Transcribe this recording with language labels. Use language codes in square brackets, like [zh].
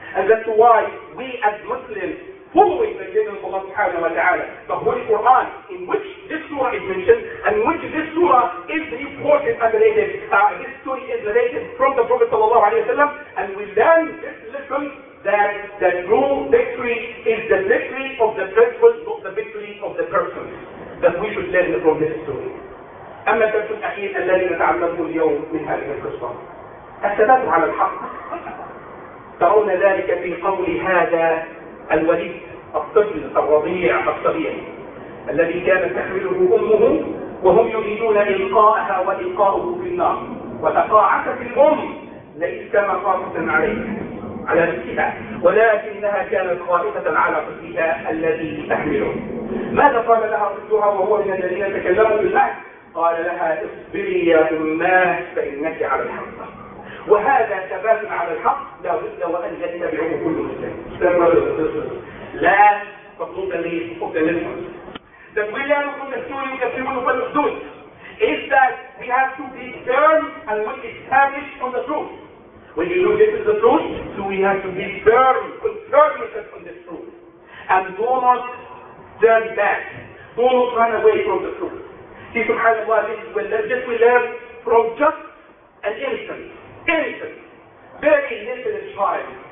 [en] And that's why we as Muslims, following the guidance of Allah subhanahu wa ta'ala, the Holy Quran, in which this surah is mentioned, and in which this surah is reported and related, this story is related from the Prophet sallallahu alayhi wa sallam, and we learn this lesson that the true victory is the victory of the principle, not the victory of the person. That we should learn from this story. [ar] أما الدرس الأخير الذي نتعلمه اليوم من هذه القصة الثبات على الحق ترون ذلك في قول هذا الوليد الطفل الرضيع الصغير الذي كانت تحمله أمه وهم يريدون إلقاءها وإلقاؤه في النار وتقاعست الأم ليس مخافة عليها على نفسها ولكنها كانت خائفة على طفلها الذي تحمله ماذا قال لها طفلها وهو من الذين تكلموا بالله قال لها اصبري يا أماه فإنك على الحق وهذا ثبات على الحق لا بد وأن يتبعه كل مسلم لا تطلب لي حق [en] that we learn from the story that we will not do it is that we have to be firm and we establish on the truth. When you know this is the truth, so we have to be firm, conservative on this truth. And do not turn back. Do not run away from the truth. See, subhanAllah, this is when this we learn from just an innocent, very little child.